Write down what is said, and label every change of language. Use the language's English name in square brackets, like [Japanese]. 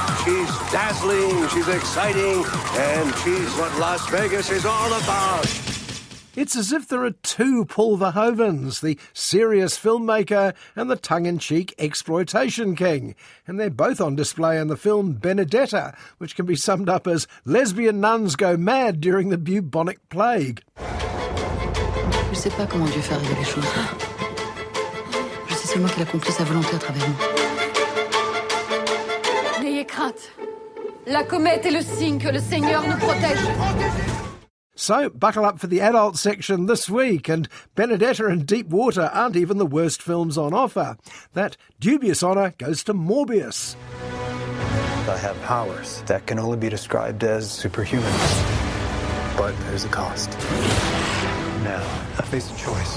[English] She's dazzling, she's exciting, and she's what Las Vegas is all about. It's as if there are two Paul Verhoevens, the serious filmmaker and the tongue-in-cheek exploitation king. And they're both on display in the film Benedetta, which can be summed up as lesbian nuns go mad during the bubonic plague. [French] Je sais pas comment Dieu fait les choses. Je sais seulement qu'il accomplit sa volonté à travers nous. La comète est le signe que le Seigneur nous protège. [English] So, buckle up for the adult section this week, and Benedetta and Deep Water aren't even the worst films on offer. That dubious honour goes to Morbius. I have powers that can only be described as superhuman. But there's a cost. Now, I face a choice.